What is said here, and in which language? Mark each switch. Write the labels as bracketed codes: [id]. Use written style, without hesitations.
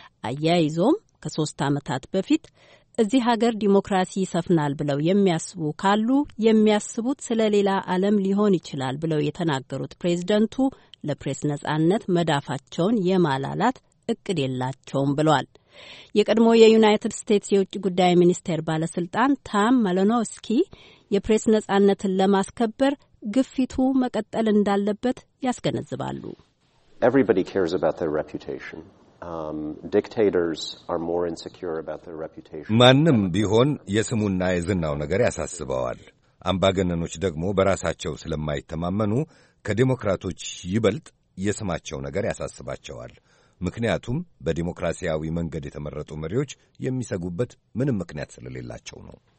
[am] አያይዞም ከሶስት ዓመታት በፊት እዚህ ሀገር ዲሞክራሲ ይሰፍናል ብለው የሚያስቡ ካሉ የሚያስቡት ስለሌላ ዓለም ሊሆን ይችላል ብለው የተናገሩት ፕሬዝደንቱ ለፕሬስ ነጻነት መዳፋቸውን የማላላት እቅድ የላቸውም ብሏል። የቀድሞ የዩናይትድ ስቴትስ የውጭ ጉዳይ ሚኒስቴር ባለስልጣን ታም ማሎኖስኪ የፕሬስ ነጻነትን ለማስከበር ግፊቱ መቀጠል እንዳለበት ያስገነዝባሉ። [en] Everybody cares about their reputation. Dictators are more insecure about their reputation. [am] ማንም ቢሆን የስሙና የዝናው ነገር ያሳስበዋል። አምባገነኖች ደግሞ በራሳቸው ስለማይተማመኑ ከዲሞክራቶች ይበልጥ የስማቸው ነገር ያሳስባቸዋል። ምክንያቱም በዲሞክራሲያዊ መንገድ የተመረጡ መሪዎች የሚሰጉበት ምንም ምክንያት ስለሌላቸው ነው።